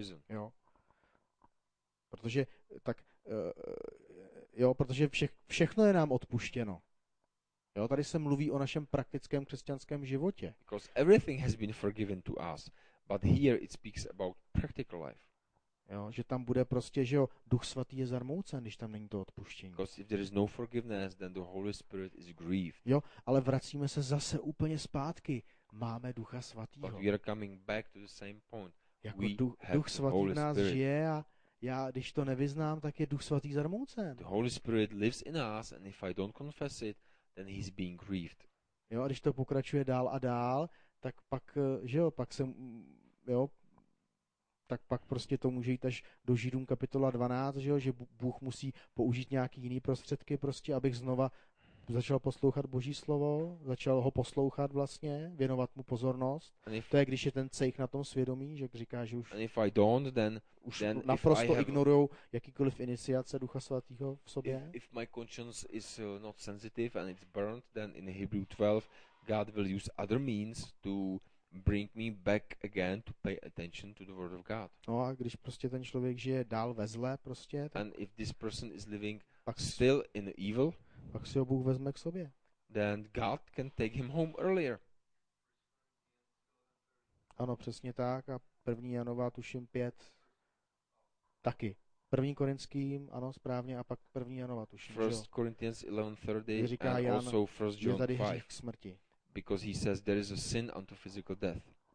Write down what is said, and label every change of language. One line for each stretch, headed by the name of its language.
Czech: Jo. Protože tak jo, protože všechno je nám odpuštěno. Jo, tady se mluví o našem praktickém křesťanském životě.
English: Because everything has been forgiven to us, but here it speaks about practical life.
Czech: Jo, že tam bude prostě, že jo, Duch Svatý je zarmoucen, když tam není to odpuštění.
English: Because if there is no forgiveness, then the Holy Spirit is grieved.
Czech: Jo, ale vracíme se zase úplně zpátky. Máme Ducha Svatýho.
English: But we are coming back to the same point.
Czech: Jako Duch Svatý v nás žije a já, když to nevyznám, tak je Duch Svatý zarmoucen.
English: The Holy Spirit lives in us and if I don't confess it, then he's being grieved.
Czech: Jo, a když to pokračuje dál a dál, tak pak, že jo, pak prostě to může jít až do Židům kapitola 12, že jo, že Bůh musí použít nějaký jiný prostředky prostě, abych znova začal poslouchat Boží slovo, začal ho poslouchat vlastně, věnovat mu pozornost. To je, když je ten cejch na tom svědomí, že říká, že už,
English: and if I don't, then,
Czech: už
English: then
Czech: naprosto
English: if I
Czech: ignorujou jakýkoliv iniciace Ducha Svatého v sobě.
English: If my conscience is not sensitive and it's burned, then in Hebrew 12, God will use other means to bring me back again to pay attention to the word of God.
Czech: No a když prostě ten člověk žije dál ve zle prostě, tak
English: and if this person is living still in evil,
Czech: pak si ho Bůh vezme k sobě.
English: Then God can take him home earlier.
Czech: Ano, přesně tak a 1. Janova tuším 5 taky. 1. Korinským, ano, správně a pak 1. Janova tuším,
English: First
Czech: jo?
English: Corinthians 11:30 and also 1 John 5.
Czech: Je tady hřích smrti.
English: Because he says there is a sin unto physical death.